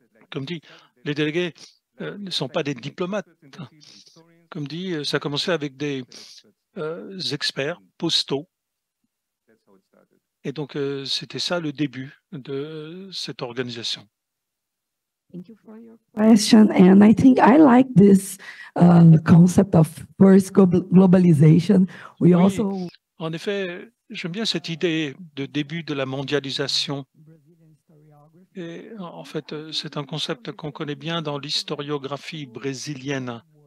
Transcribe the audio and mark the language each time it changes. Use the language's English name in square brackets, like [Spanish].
[French] Comme dit, les délégués ne sont pas des diplomates. Comme dit, ça a commencé avec des experts postaux. Et donc, c'était ça le début de cette organisation. [English] Thank you for your question. And I think I like this concept of first globalization. We oui, also... [French] En effet, j'aime bien cette idée de début de la mondialisation. Et en fait, c'est un concept qu'on connaît bien dans l'historiographie brésilienne.